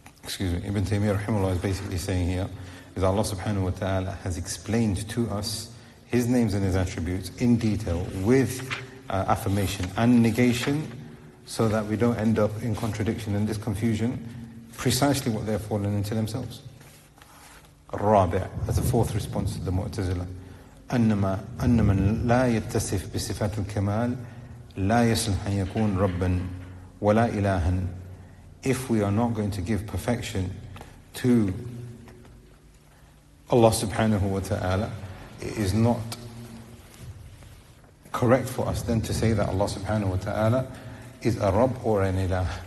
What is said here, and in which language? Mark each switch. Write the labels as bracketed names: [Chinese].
[English] excuse me, Ibn Taymiyyah rahimahullah is basically saying here, is Allah subhanahu wa ta'ala has explained to us His names and His attributes in detail with affirmation and negation, so that we don't end up in contradiction and this confusion, precisely what they've fallen into themselves. Rabi' as a fourth response to the Mu'tazila. [Arabic] أنما لا يتصف بصفات الكمال لا يصلح أن يكون ربا ولا إلها. [English] If we are not going to give perfection to Allah subhanahu wa ta'ala, it is not correct for us then to say that Allah subhanahu wa ta'ala is a Rabb or an Ilah.